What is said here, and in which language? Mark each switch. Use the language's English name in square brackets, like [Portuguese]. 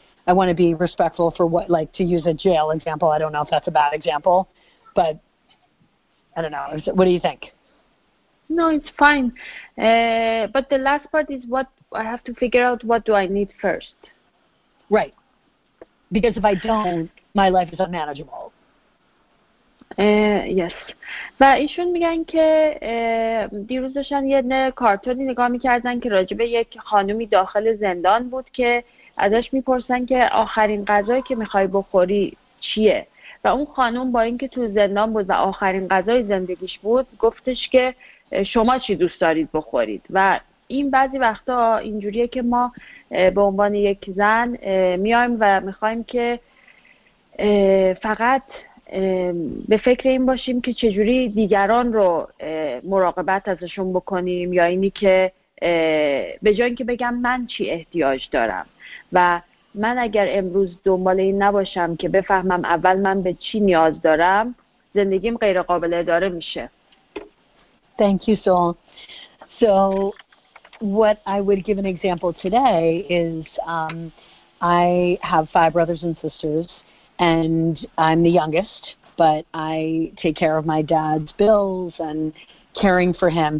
[English] I want to be respectful for what, like, to use a jail example. I don't know if that's a bad example, but I don't know. What do you think? No, it's fine. But the last part is what I have to figure out, what do I need first? Right. Because if I don't, my life is unmanageable. Yes. [Persian] و ایشون میگن که دیروز داشتن یه کارتونی نگاه میکردن که راجع به یک خانومی داخل زندان بود که ازش میپرسن که آخرین غذایی که میخوای بخوری چیه؟ و اون خانوم با اینکه تو زندان بود و آخرین غذای زندگیش بود گفتش که شما چی دوست دارید بخورید؟ و این بعضی وقتا اینجوریه که ما به عنوان یک زن میایم و میخوایم که فقط به فکر این باشیم که چجوری دیگران رو مراقبت ازشون بکنیم، یا اینی که به جای اینکه بگم من چی احتیاج دارم و من اگر امروز دنبال این نباشم که بفهمم اول من به چی نیاز دارم، زندگیم غیر قابل اداره میشه. [English] Thank you, Sol. So what I would give an example today is I have 5 brothers and sisters, and I'm the youngest, but I take care of my dad's bills and caring for him.